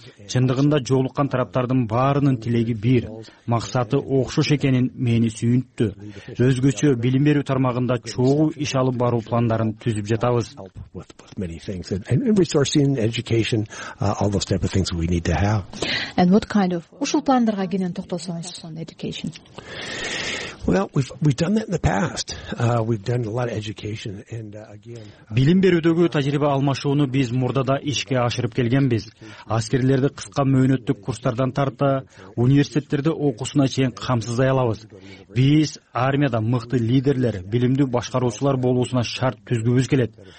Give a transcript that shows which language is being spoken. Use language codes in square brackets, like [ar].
[ky] Чындыгында жолуккан тараптардын баарынын тилеги бир, максаты окшош экенин мени сүйүнттү. Өзгөчө билим берүү тармагында чогуу иш алып баруу пландарын түзүп жатабыз. Ушул пландарга кенен токтосоңуз. [en] Well, we've done that in the past. We've done a lot of education and again. [ky] Билим берүүдөгү тажрыйба алмашууну биз мурда да ишке ашырып келгенбиз. Аскерлерди кыска мөөнөттүк курстардан тарта, университеттерде окуусуна чейин камсыздай алабыз. Биз армияда мыкты лидерлер, билимдүү башкаруучулар болуусуна шарт түзгүбүз келет.